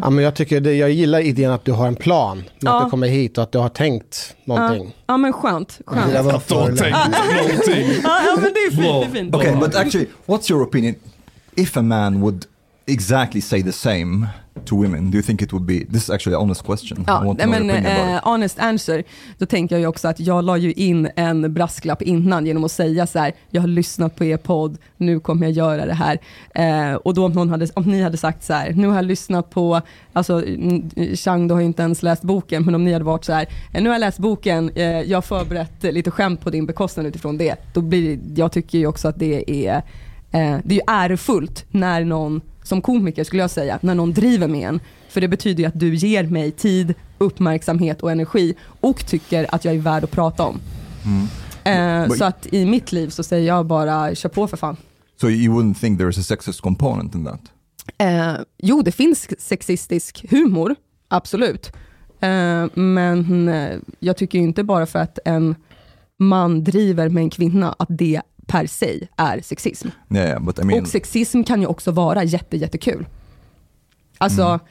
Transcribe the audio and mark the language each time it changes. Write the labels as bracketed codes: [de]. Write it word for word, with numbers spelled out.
[sv] Ja, men jag, tycker det, jag gillar idén att du har en plan. Ja. Att du kommer hit och att du har tänkt någonting. Ja, ja men skönt. skönt. Jag har tänkt någonting. Ja, men det är fint. Det är fint. [en] Okay, but actually, what's your opinion? If a man would exactly say the same to women? Do you think it would be, this is actually an honest question. Ja, I want to know men, eh, honest answer. [sv] Då tänker jag ju också att jag la ju in en brasklapp innan genom att säga så här: jag har lyssnat på er podd, nu kommer jag göra det här. Eh, och då om, någon hade, om ni hade sagt så här: nu har jag lyssnat på, alltså Chang, du har ju inte ens läst boken, men om ni hade varit så här: nu har jag läst boken, eh, jag har förberett lite skämt på din bekostnad utifrån det. Då blir, jag tycker ju också att det är eh, det är ju ärefullt när någon som komiker, skulle jag säga, när någon driver med en. För det betyder ju att du ger mig tid, uppmärksamhet och energi och tycker att jag är värd att prata om. Mm. Eh, så att i mitt liv så säger jag bara, kör på för fan. [en] So you wouldn't think there is a sexist component in that? [sv] Eh, jo, det finns sexistisk humor, absolut. Eh, men jag tycker ju inte bara för att en man driver med en kvinna att det per se är sexism. [en] Yeah, but I mean... [sv] Och sexism kan ju också vara jätte, jättekul. Alltså, mm.